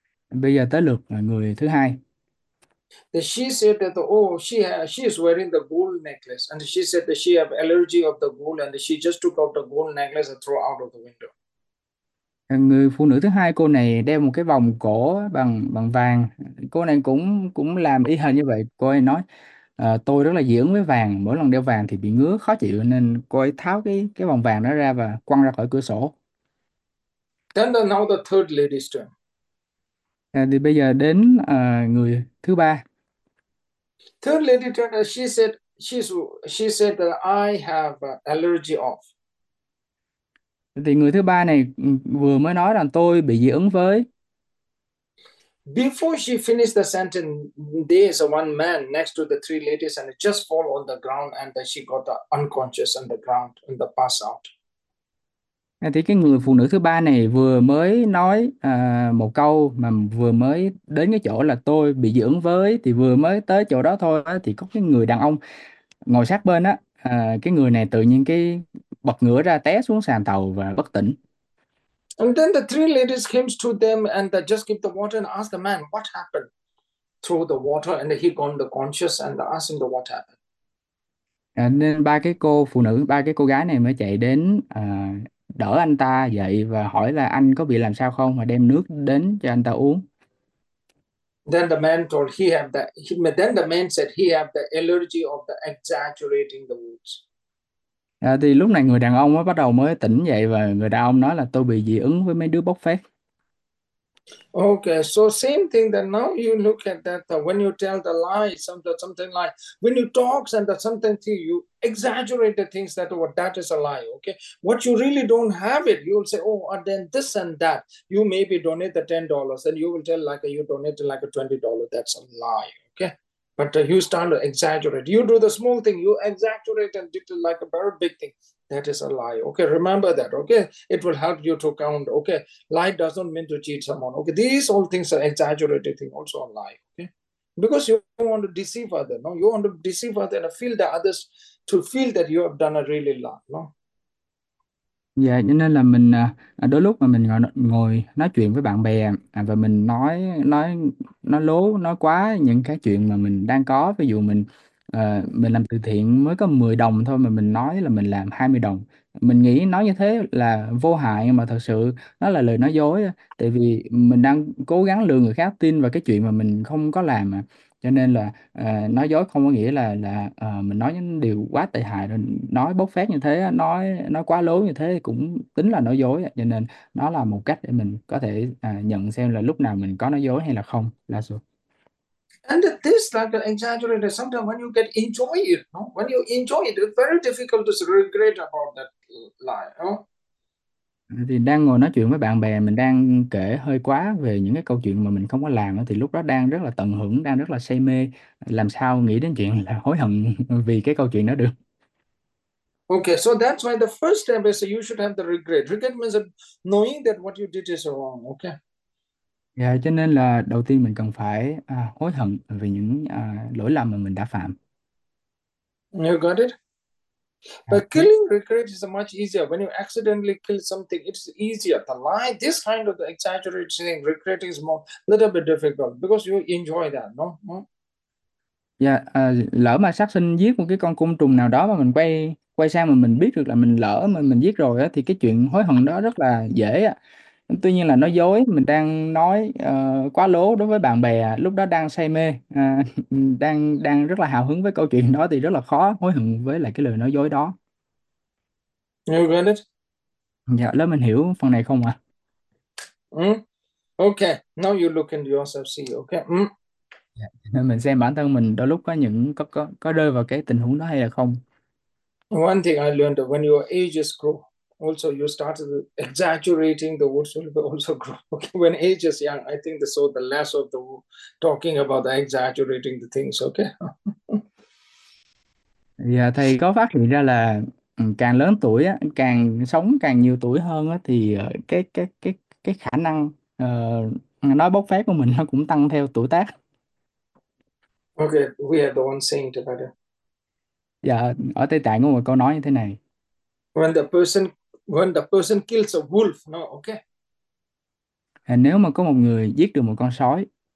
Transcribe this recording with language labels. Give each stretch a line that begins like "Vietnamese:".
Vietnamese: Bây giờ tới lượt là người thứ hai.
English: She said that she is wearing the gold necklace and she said that she have allergy of the gold and she just took out the gold necklace and throw out of the window.
Vietnamese: Người phụ nữ thứ hai, cô này đeo một cái vòng cổ bằng bằng vàng. Cô này cũng cũng làm y hệt như vậy. Cô ấy nói tôi rất là dị ứng với vàng, mỗi lần đeo vàng thì bị ngứa khó chịu, nên cô ấy tháo cái vòng vàng đó ra và quăng ra khỏi cửa sổ.
English: Now the third lady's turn.
Vietnamese: Thì bây giờ đến người thứ ba.
English: Third lady turned, she said that I have allergy of.
Vietnamese: Thì người thứ ba này vừa mới nói rằng tôi bị dị ứng với.
English: She finished the sentence, there is one man next to the three ladies and it just fall on the ground and she got unconscious on the ground and the pass out.
Vietnamese: Thì cái người phụ nữ thứ ba này vừa mới nói một câu mà vừa mới đến cái chỗ là tôi bị dị ứng với, thì vừa mới tới chỗ đó thôi thì có cái người đàn ông ngồi sát bên á, cái người này tự nhiên cái bật ngửa ra té xuống sàn tàu và bất tỉnh.
English: And then the three ladies came to them and they just give the water and ask the man what happened. Throw the water and he gone the conscious and ask him the what happened.
Vietnamese: Nên ba cái cô gái này mới chạy đến đỡ anh ta dậy và hỏi là anh có bị làm sao không, mà đem nước đến cho anh ta uống.
English: Then the man told he have the he, then the man said he have the allergy of the exaggerating the words.
Vietnamese: Thì lúc này người đàn ông mới bắt đầu mới tỉnh dậy và người đàn ông nói là tôi bị dị ứng với mấy đứa bốc phét.
English: Okay, so same thing that now you look at that when you tell the lie, something like when you talk and that something thing, you exaggerate the things that what that is a lie. Okay, what you really don't have it, you will say, oh, and then this and that. You maybe donate the $10, and you will tell like you donated like a $20. That's a lie. Okay, but you start to exaggerate. You do the small thing, you exaggerate and do like a very big thing. That is a lie. Okay, remember that. Okay, it will help you to count. Okay, lie doesn't mean to cheat someone. Okay, these all things are exaggerated thing, also a lie. Okay, because you want to deceive other. No, you want to deceive other and feel the others to feel that you have done a really lie. No.
Vietnamese: Dạ, cho nên là mình đôi lúc mà mình ngồi nói chuyện với bạn bè và mình nói lố nói quá những cái chuyện mà mình đang có. Ví dụ mình làm từ thiện mới có 10 đồng thôi mà mình nói là mình làm 20 đồng. Mình nghĩ nói như thế là vô hại mà thật sự nó là lời nói dối, tại vì mình đang cố gắng lừa người khác tin vào cái chuyện mà mình không có làm mà. Cho nên là nói dối không có nghĩa là mình nói những điều quá tệ hại rồi nói bốc phét như thế, nói quá lố như thế cũng tính là nói dối. Cho nên nó là một cách để mình có thể nhận xem là lúc nào mình có nói dối hay là không. Là số
English: And this like exaggerated sometimes when you get enjoy it, no? When you enjoy it's very difficult to regret about that lie, no?
Vietnamese: thì đang ngồi nói chuyện với bạn bè, mình đang kể hơi quá về những cái câu chuyện mà mình không có làm, thì lúc đó đang rất là tận hưởng, đang rất là say mê, làm sao nghĩ đến chuyện là hối hận vì cái câu chuyện đó được.
English: Okay, so that's why the first step is you should have the regret. Regret means that knowing that what you did is wrong, okay?
Vietnamese: Dạ, cho nên là đầu tiên mình cần phải hối hận vì những lỗi lầm mà mình đã phạm.
English: You got it? But killing regret is much easier. When you accidentally kill something, it's easier. The lie, this kind of exaggerating, regretting is more little bit difficult because you enjoy that, no?
Vietnamese: Lỡ mà sát sinh giết một cái con côn trùng nào đó mà mình quay quay sang mà mình biết được là mình lỡ mà mình giết rồi á, thì cái chuyện hối hận đó rất là dễ á. Tuy nhiên là nói dối, mình đang nói quá lố đối với bạn bè lúc đó đang say mê, đang đang rất là hào hứng với câu chuyện đó, thì rất là khó hối hận với lại cái lời nói dối đó.
English: You
Vietnamese: Dạ, lớp mình hiểu phần này không ạ?
English: got it? Okay, now you look into yourself, see, okay?
Vietnamese: Dạ, nên mình xem bản thân mình đôi lúc có những có rơi vào cái tình huống đó hay là không.
English: One thing I learned when your ages grow, also you started exaggerating the words will also grow. Okay, when age is young, I think the so the less of the talking about the exaggerating the things, okay?
Vietnamese: Dạ, thầy có phát hiện ra là càng lớn tuổi á, càng sống càng nhiều tuổi hơn á, thì cái khả năng nói bốc phét của mình nó cũng tăng theo tuổi tác.
English: Okay, we are the one saying to better.
Vietnamese: Dạ, ở Tây Tạng có một câu nói như thế này.
English: When the person kills a wolf, no, okay.
Vietnamese: À, nếu mà có một người giết được một con sói.